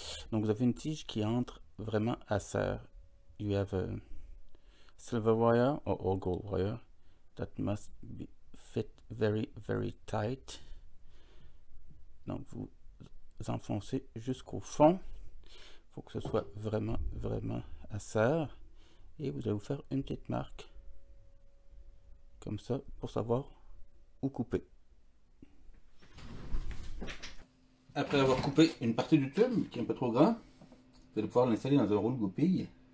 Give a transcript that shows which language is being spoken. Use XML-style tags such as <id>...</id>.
<fr>Donc vous avez une tige qui entre vraiment à ça.</fr> <en>You have a silver wire or gold wire that must be fit very, very tight.</en> <fr>Donc vous enfoncez jusqu'au fond. Faut que ce soit vraiment, vraiment à ça. Et vous allez vous faire une petite marque. Comme ça, pour savoir où couper. Après avoir coupé une partie du tube qui est un peu trop grand, vous allez pouvoir l'installer dans un rouleau goupille.</fr>